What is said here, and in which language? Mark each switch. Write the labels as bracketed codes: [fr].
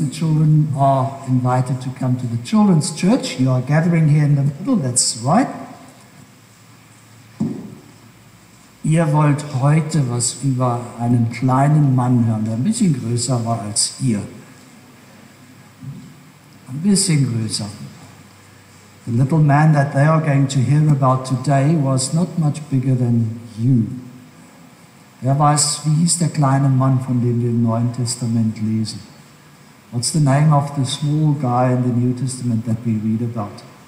[en] The children are invited to come to the children's church. You are gathering here in the middle, that's right. [de] Ihr wollt heute was über einen kleinen Mann hören, der ein bisschen größer war als ihr. Ein bisschen größer. [en] The little man that they are going to hear about today was not much bigger than you. [de] Wer weiß, wie hieß der kleine Mann, von dem wir im Neuen Testament lesen? [en] What's the name of the small guy in the New Testament that we read about?